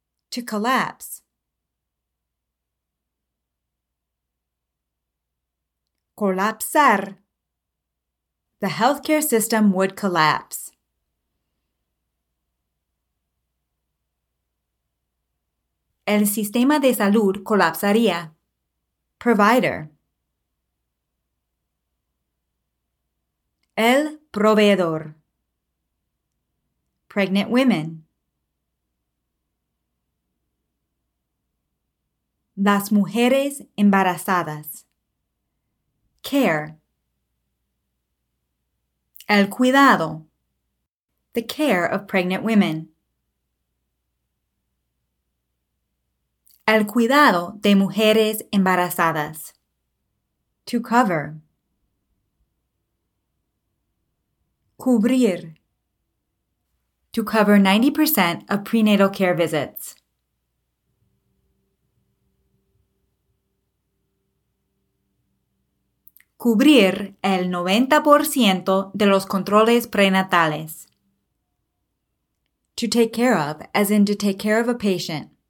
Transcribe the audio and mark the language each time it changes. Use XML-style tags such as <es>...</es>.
<en>To collapse. Colapsar. The healthcare system would collapse.</en> <es>el sistema de salud colapsaría.</es> <en>Provider.</en> <es>El proveedor.</es> <en>Pregnant women.</en> <es>Las mujeres embarazadas.</es> <en>Care.</en> <es>El cuidado.</es> <en>The care of pregnant women.</en> <es>El cuidado de mujeres embarazadas.</es> <en>To cover.</en> <es>Cubrir.</es> <en>To cover 90% of prenatal care visits.</en> <es>Cubrir el 90% de los controles prenatales.</es> <en>To take care of, as in to take care of a patient.</en>